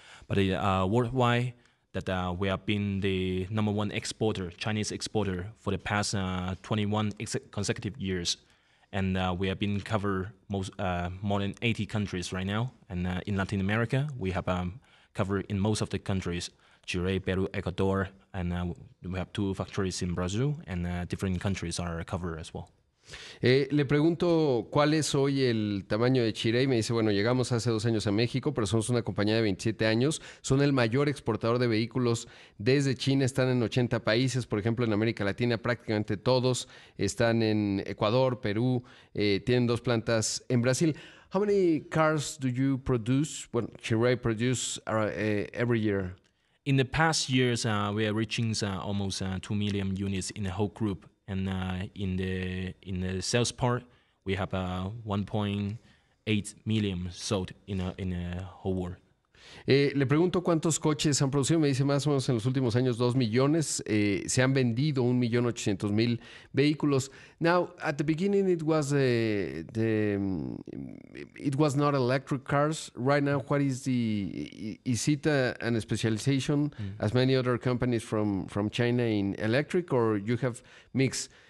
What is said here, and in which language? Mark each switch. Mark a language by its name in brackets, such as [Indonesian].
[English] But worldwide, that we have been the number one exporter, Chinese exporter, for the past 21 consecutive years. And we have been covered more than 80 countries right now. And in Latin America, we have covered in most of the countries, Chile, Peru, Ecuador, and we have two factories in Brazil, and different countries are covered as well. [Spanish] Le pregunto cuál es hoy el tamaño de Chirey. Me dice, bueno, llegamos hace 2 años a México, pero somos una compañía de 27 años. Son el mayor exportador de vehículos desde China. Están en 80 países, por ejemplo, en América Latina prácticamente todos. Están en Ecuador, Perú, tienen dos plantas en Brasil. [English] How many cars do you produce, well, Chirey produce every year? In the past years, we are reaching almost 2 million units in the whole group. And in the sales part, we have 1.8 million sold in the whole world. [Spanish] Le pregunto cuántos coches han producido. Me dice más o menos en los últimos años 2 millones. Se han vendido 1,800,000 vehículos. [English] Now, at the beginning, it was it was not electric cars. Right now, what is the, is it a specialization as many other companies from China in electric, or you have mixed?